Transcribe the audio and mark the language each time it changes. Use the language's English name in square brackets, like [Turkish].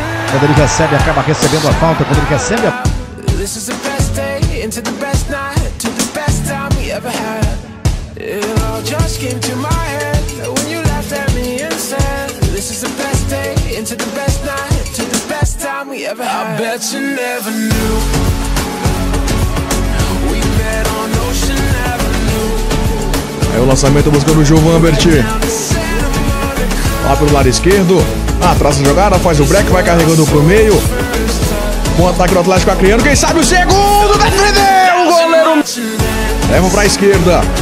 [Portuguese] Quando ele recebe, acaba recebendo a falta. Quando ele recebe a... [English] This is the best day into the best night, to the best time we ever had. It all just came to my head when you laughed at me and said, this is the best day into the best night, to the best time we ever had. I bet you never knew. [Portuguese] Aí o lançamento buscando o Giovan Berti. Lá pelo lado esquerdo. Atrasa a jogada, faz o break, vai carregando pro meio. Bom ataque do Atlético Acreano. Quem sabe o segundo? Defendeu o goleiro. Leva pra esquerda.